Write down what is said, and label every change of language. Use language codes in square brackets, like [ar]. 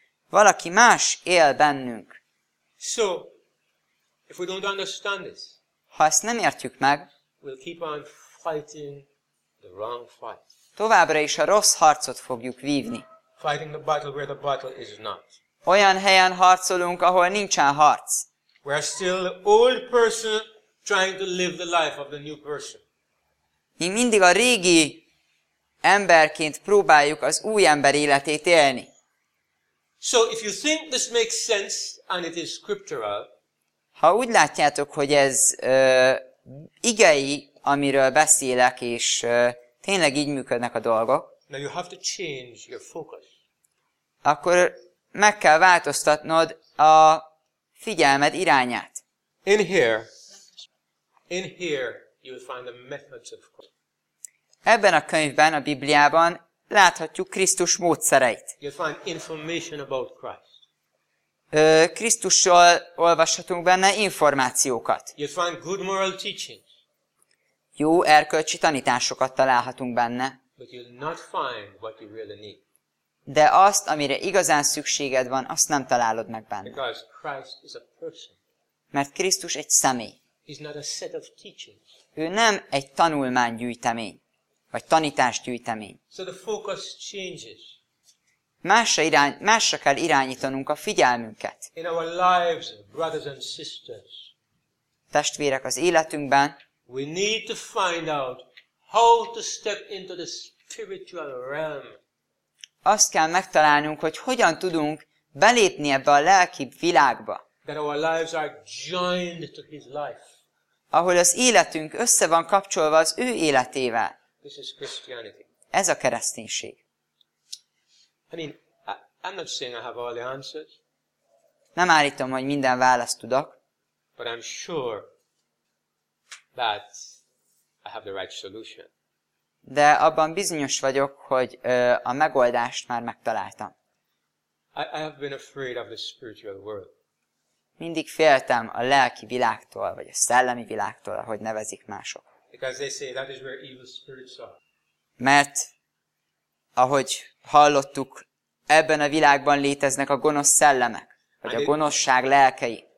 [hu] Valaki más él bennünk. [en] So, if we don't understand this, [hu] ha ezt nem értjük meg, [en] we'll keep on fighting the wrong fight. [hu] Továbbra is a rossz harcot fogjuk vívni. [en] Fighting the battle where the battle is not. [hu] Olyan helyen harcolunk, ahol nincsen harc. [en] We are still the old person trying to live the life of the new person. [hu] Mi mindig a régi emberként próbáljuk az új ember életét élni. [en] So if you think this makes sense and it is scriptural, [hu] ha úgy látjátok, hogy ez igei, amiről beszélek, és tényleg így működnek a dolgok, [en] now you have to change your focus. [hu] Akkor meg kell változtatnod a figyelmed irányát. [en] In here you will find the methods of God. [hu] Ebben a könyvben, a Bibliában láthatjuk Krisztus módszereit. [en] You'll find information about Christ. [hu] Krisztussal olvashatunk benne információkat. [en] You'll find good moral teachings. [hu] Jó erkölcsi tanításokat találhatunk benne. [en] But you'll not find what you really need. [hu] De azt, amire igazán szükséged van, azt nem találod meg benne. [en] Because Christ is a person. [hu] Mert Krisztus egy személy. [en] He's not a set of teachings. [hu] Ő nem egy tanulmánygyűjtemény, vagy tanításgyűjtemény. [en] So the focus changes. [hu] Másra kell irányítanunk a figyelmünket. [en] In our lives, brothers and sisters, [hu] testvérek az életünkben, [en] we need to find out how to step into the spiritual realm. [hu] Azt kell megtalálnunk, hogy hogyan tudunk belépni ebbe a lelki világba. [en] That our lives are joined to his life. [hu] Ahol az életünk össze van kapcsolva az ő életével. [en] This is Christianity. [hu] Ez a kereszténység. [en] I'm not saying I have all the answers. [hu] Nem állítom, hogy minden választ tudok. [en] But I'm sure that I have the right solution. [hu] De abban bizonyos vagyok, hogy a megoldást már megtaláltam. [en] I have been afraid of the spiritual world. [hu] Mindig féltem a lelki világtól, vagy a szellemi világtól, ahogy nevezik mások. [en] Because they say that is where evil spirits are. [hu] Mert, ahogy hallottuk, ebben a világban léteznek a gonosz szellemek, vagy and a gonoszság lelkei.